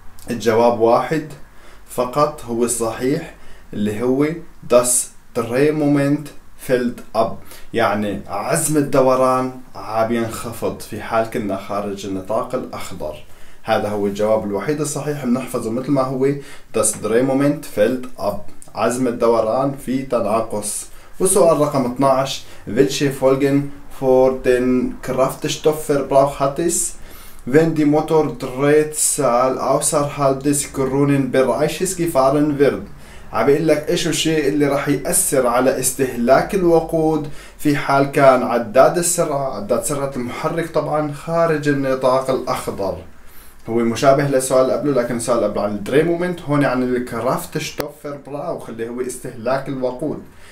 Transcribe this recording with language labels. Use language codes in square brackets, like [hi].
[ar] الجواب واحد فقط هو الصحيح، اللي هو [de] das Drehmoment fällt ab، [ar] يعني عزم الدوران عم بينخفض في حال كنا خارج النطاق الاخضر. هذا هو الجواب الوحيد الصحيح، بنحفظه مثل ما هو. [de] Das Drehmoment fällt ab، [ar] عزم الدوران في تناقص. وسؤال رقم 12، [de] welche Folgen für den Kraftstoffverbrauch hat es wenn die Motordrehzahl außerhalb des grünen Bereiches gefahren wird. [ar] عم بيقول لك ايش الشيء اللي راح ياثر على استهلاك الوقود في حال كان عداد سرعة المحرك طبعا خارج النطاق الاخضر. هو مشابه للسؤال اللي قبله، لكن السؤال قبله عن الدري مومنت، هون عن الكرافتشتوفر براوخ اللي هو استهلاك الوقود.